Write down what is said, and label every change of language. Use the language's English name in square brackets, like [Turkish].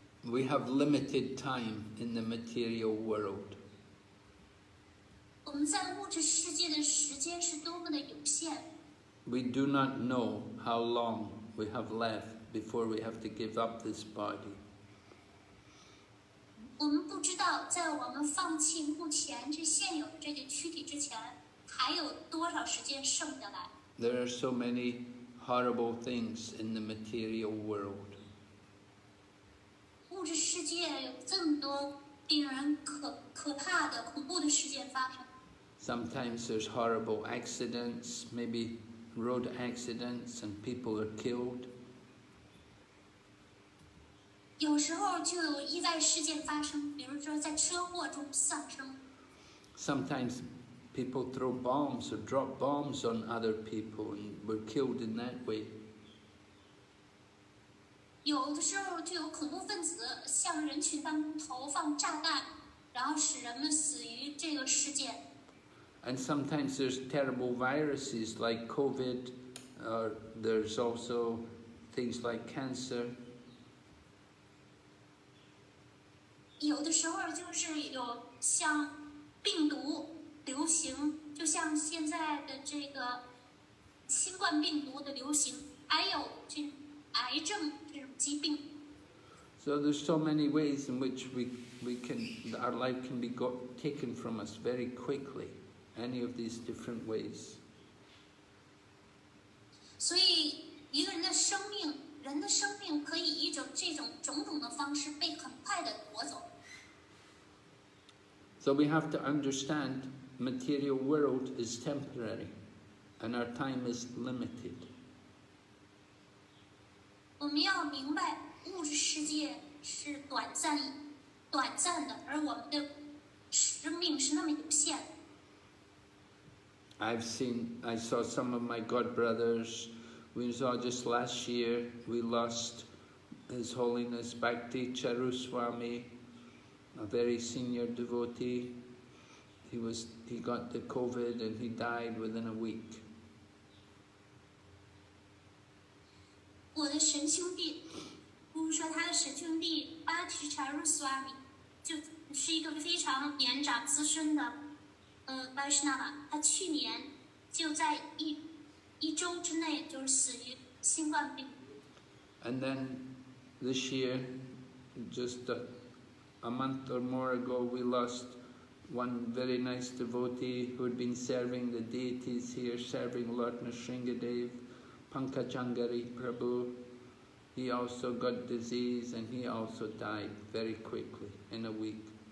[English] We have limited time in the material world. [Chinese] 我们在物质世界的时间是多么的有限。 [English] We do not know how long we have left. Before we have to give up this body. There are so many horrible things in the material world. 物 [Chinese] 这世界有这么多令人 可怕的恐怖的事件发生。 [English] Sometimes there's horrible accidents, maybe road accidents, and people are killed. [Chinese] 有时候就有意外事件发生，比如说在车祸中丧生。 [English] Sometimes people throw bombs or drop bombs on other people and were killed in that way. [Chinese] 有的时候就有恐怖分子向人群当中投放炸弹，然后使人们死于这个事件。 [English] And sometimes there's terrible viruses like COVID, or there's also things like cancer. [Chinese] 有的时候就是有像病毒流行，就像现在的这个新冠病毒的流行，还有这癌症这种疾病。 [English] So there's so many ways in which we can, our life can be got, taken from us very quickly, any of these different ways. [Chinese] 所以一个人的生命，人的生命可以以这种种种的方式被很快的夺走。 [English] So we have to understand material world is temporary and our time is limited. [Chinese] 我们要明白物质世界是短暂的，而我们的生命是那么有限。 [English] I saw some of my godbrothers. We saw just last year we lost His Holiness Bhakti Charuswami, a very senior devotee. He got the COVID and he died within a week. [Chinese] 我的神兄弟，不是说他的神兄弟巴提查鲁斯瓦米，就是一个非常年长资深的，巴什纳瓦，他去年就在一周之内就是死于新冠病毒。 [English] And then this year, just a month or more ago, we lost one very nice devotee who had been serving the deities here, serving Lord Nrisingadev, Pankajangari Prabhu. He also got disease and he also died very quickly, in a week.